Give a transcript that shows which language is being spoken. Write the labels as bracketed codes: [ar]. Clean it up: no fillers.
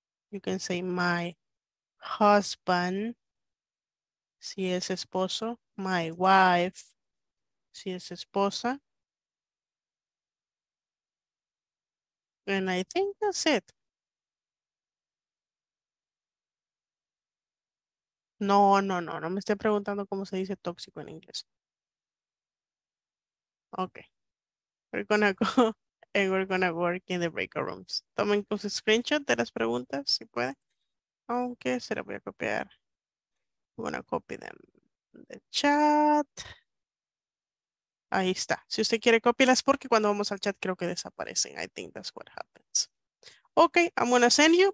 [en] You can say my husband, [es] si es esposo, [en] my wife, [es] si es esposa. [en] And I think that's it. [es] No, no, no, no me estoy preguntando cómo se dice tóxico en inglés. Ok. [en] We're gonna go and we're gonna work in the breakout rooms. [es] Tomen un screenshot de las preguntas, si puede. Aunque se las voy a copiar. [en] I'm gonna copy them in the chat. [es] Ahí está. Si usted quiere, cópielas porque cuando vamos al chat creo que desaparecen. [en] I think that's what happens. Okay, I'm gonna send you.